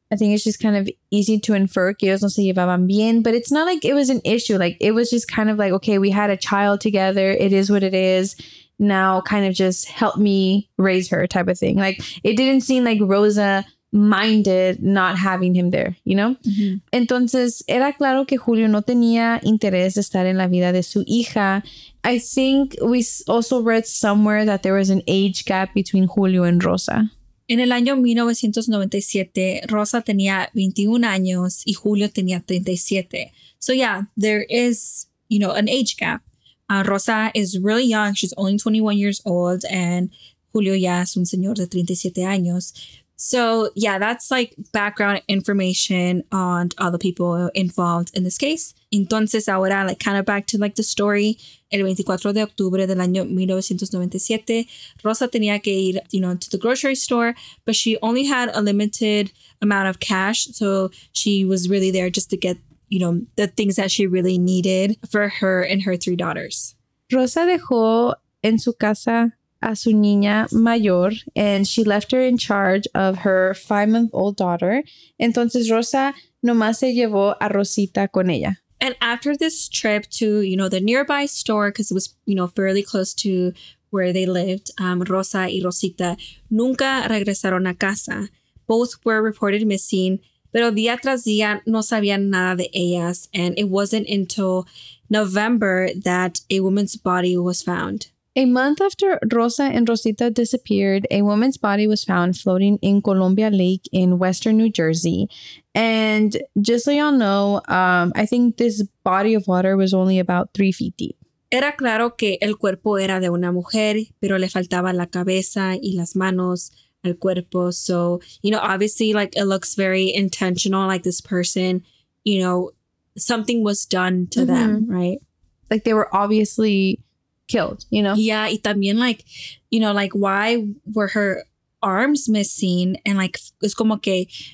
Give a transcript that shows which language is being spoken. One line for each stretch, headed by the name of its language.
English: I think it's just kind of easy to infer
Spanish: que ellos no se llevaban bien,
English: but it's not like it was an issue. Like, it was just kind of like, okay, we had a child together. It is what it is. Now kind of just help me raise her type of thing. Like, it didn't seem like Rosa minded not having him there, you know? Mm-hmm.
Spanish: Entonces, era claro que Julio no tenía interés de estar en la vida de su hija.
English: I think we also read somewhere that there was an age gap between Julio and Rosa.
Spanish: En el año 1997, Rosa tenía 21 años y Julio tenía 37.
English: So yeah, there is, you know, an age gap. Rosa is really young. She's only 21 years old. And Julio
Spanish: ya es un señor de 37 años.
English: So, yeah, that's like background information on all the people involved in this case.
Spanish: Entonces, ahora, like,
English: kind of back to, like, the story.
Spanish: El 24 de octubre del año 1997, Rosa tenía que ir, you know,
English: to the grocery store. But she only had a limited amount of cash. So she was really there just to get, you know, the things that she really needed for her and her three daughters.
Spanish: Rosa dejó en su casa a su niña mayor,
English: and she left her in charge of her five-month-old daughter.
Spanish: Entonces Rosa nomás se llevó a Rosita con ella.
English: And after this trip to, you know, the nearby store, because it was, you know, fairly close to where they lived,
Spanish: Rosa y Rosita nunca regresaron a casa.
English: Both were reported missing.
Spanish: Pero día tras día no sabían nada de ellas,
English: and it wasn't until November that a woman's body was found. A month after Rosa and Rosita disappeared, a woman's body was found floating in Columbia Lake in western New Jersey. And just so y'all know, I think this body of water was only about 3 feet deep.
Spanish: Era claro que el cuerpo era de una mujer, pero le faltaba la cabeza y las manos. El cuerpo.
English: So, you know, obviously, like, it looks very intentional, like this person, you know, something was done to mm-hmm. them, right? Like, they were obviously killed, you know? Yeah,
Spanish: y también,
English: like, you know, like, why were her arms missing? And, like,
Spanish: es como que